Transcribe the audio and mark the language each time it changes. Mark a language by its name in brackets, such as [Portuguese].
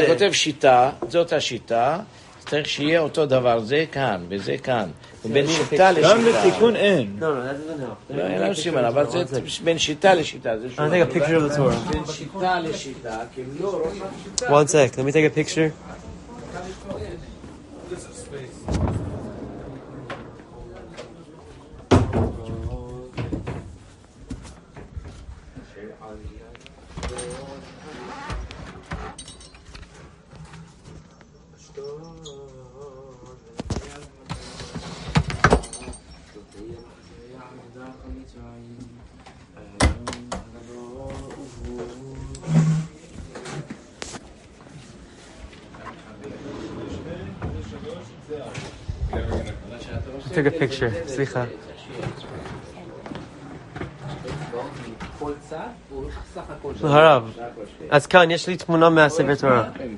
[Hebrew] Kshata kotev shita, zot ha-shita, צריך שיהיה אותו דבר, זה כאן, וזה כאן. ובין שיטה לשיטה. גם בתיקון אין. לא, אין לנו סימן, אבל זה בין שיטה לשיטה. [English] I'll take a picture of the Torah. [Hebrew] בין שיטה לשיטה, כי אם לא, רואה שיטה. [English] One sec, let me take a picture. Take a picture, [Hebrew] סליחה. כל צד, הרב, אז כאן יש לי תמונה מהספר תורה.